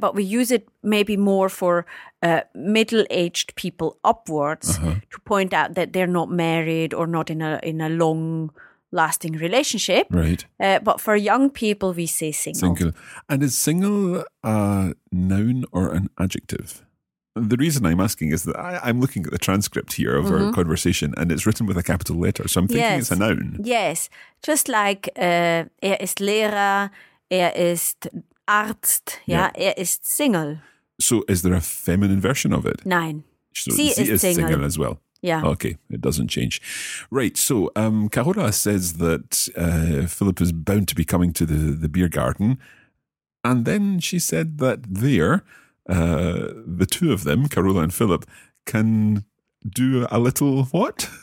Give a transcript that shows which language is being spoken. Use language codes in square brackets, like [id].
[en] But we use it maybe more for middle-aged people upwards to point out that they're not married or not in a long-lasting relationship. Right. But for young people, we say single. Single. And is single a noun or an adjective? The reason I'm asking is that I'm looking at the transcript here of our conversation, and it's written with a capital letter, so I'm thinking it's a noun. Yes, just like [de] er ist Lehrer, er ist Arzt, er ist single. [en] So is there a feminine version of it? [de] Nein. [en] So [de] sie ist single [en] as well. Yeah. Okay, it doesn't change. Right, so Carola says that Philip is bound to be coming to the beer garden, and then she said that there... the two of them, Carola and Philip, can do a little what?